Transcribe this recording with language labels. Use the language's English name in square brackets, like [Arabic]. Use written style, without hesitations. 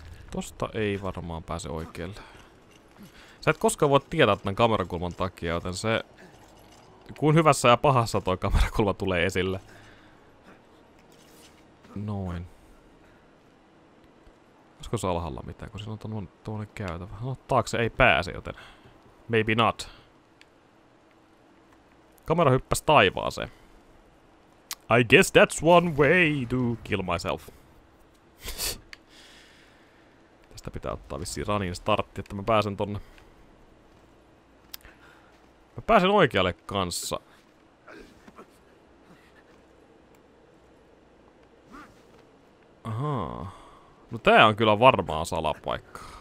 [Finnish] Tosta ei varmaan pääse oikealle. Sä et koskaan voi tietää tän kamerakulman takia, joten se kuin hyvässä ja pahassa toi kamerakulma tulee esille. Noin. Olisiko se alhaalla mitään, kun siinä on tuonne käytävä. No taakse ei pääse, joten [English] maybe not. [Finnish] Kamera hyppäs taivaaseen. [English] I guess that's one way to kill myself. [Finnish] Tästä pitää ottaa vissiin runin startti, että mä pääsen tonne. Mä pääsen oikealle kanssa. Ahaa. No tää on kyllä varmaan salapaikka.